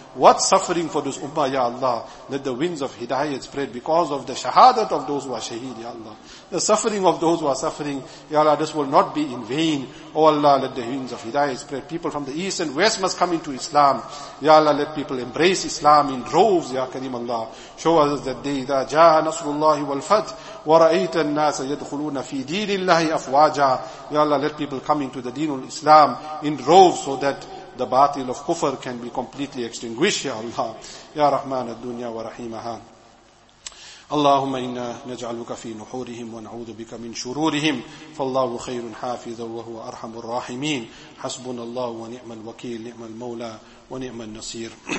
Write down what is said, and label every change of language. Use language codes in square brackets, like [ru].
[en] What suffering for this ummah, Ya Allah. Let the winds of hidayat spread because of the shahadat of those who are shaheed, Ya Allah. The suffering of those who are suffering, Ya Allah, this will not be in vain. O Allah, let the winds of hidayat spread. People from the east and west must come into Islam. Ya Allah, let people embrace Islam in droves, Ya Kareem Allah. Show us that day [ar] إذا جاء نصر الله والفتح ورأيت الناس يدخلون في دين الله أفواجا. [en] Ya Allah, let people come into the deen of Islam in droves so that the batil of kufr can be completely extinguished, Ya Allah. [ar] Ya Rahman al-Dunya wa Rahimaha. اللهم إنا نجعلك في نحورهم ونعوذ بك من شرورهم فالله خير حافظ وهو أرحم الراحمين حسبنا الله ونعم الوكيل نعم المولى ونعم النصير.